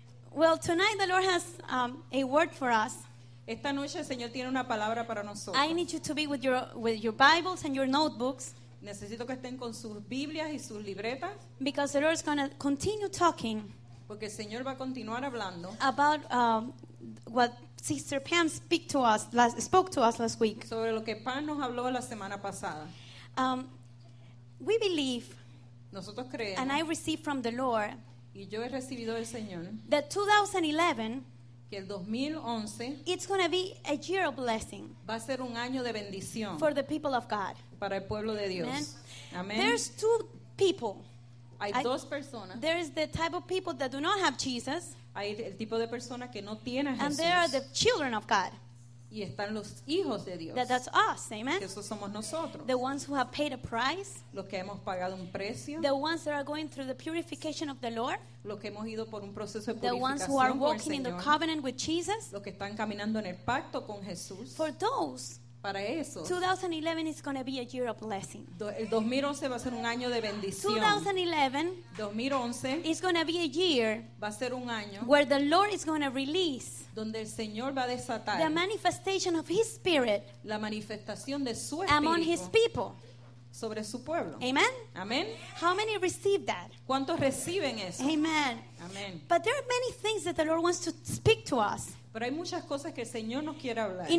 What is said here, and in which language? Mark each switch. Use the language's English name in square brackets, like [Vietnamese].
[English] Well, tonight the Lord has a word for us. [Spanish] Esta noche el Señor tiene una palabra para nosotros. [English] I need you to be with your Bibles and your notebooks. [Spanish] Necesito que estén con sus Biblias y sus libretas. [English] Because the Lord is going to continue talking. [Spanish] Porque el Señor va a continuar hablando. [English] About what Sister Pam spoke to us last week. [Spanish] Sobre lo que Pam nos habló la semana pasada. [English] We believe. [Spanish] Nosotros creemos. [English] And I received from the Lord. [Spanish] Y yo he recibido del Señor. [English] That 2011. [Spanish] Que el 2011. [English] It's going to be a year of blessing. [Spanish] Va a ser un año de bendición. [English] For the people of God. [Spanish] Para el pueblo de Dios. [English] Amen. [Spanish] Amen. [English] There's two people. [Spanish] Hay dos personas. [English] There is the type of people that do not have Jesus. [Spanish] Hay el tipo de persona que no tiene a Jesús. [English] And there are the children of God. [Spanish] Y están los hijos de Dios. [English] That's us, amen. [Spanish] Que esos somos nosotros. [English] The ones who have paid a price. [Spanish] Los que hemos pagado un precio. [English] The ones that are going through the purification of the Lord. [Spanish] Los que hemos ido por un proceso de purificación. [English] The ones who are walking in the covenant with Jesus. [Spanish] Los que están caminando en el pacto con Jesús. [English] For those. [Spanish] Para eso. [English] 2011 is going to be a year of blessing. [Spanish] El 2011 va a ser un año de bendición. [English] 2011 is going to be a year. [Spanish] Va a ser un año [English] where the Lord is going to release. [Spanish] Donde el Señor va a desatar [English] the manifestation of His Spirit. [Spanish] La manifestación de su espíritu [English] among His people. [Spanish] Sobre su pueblo. [English] Amen. [Spanish] Amen. [English] How many receive that? [Spanish] ¿Cuántos reciben eso? [English] Amen. [Spanish] Amen. [English] But there are many things that the Lord wants to speak to us. [Spanish] Pero hay muchas cosas que el Señor nos quiere hablar.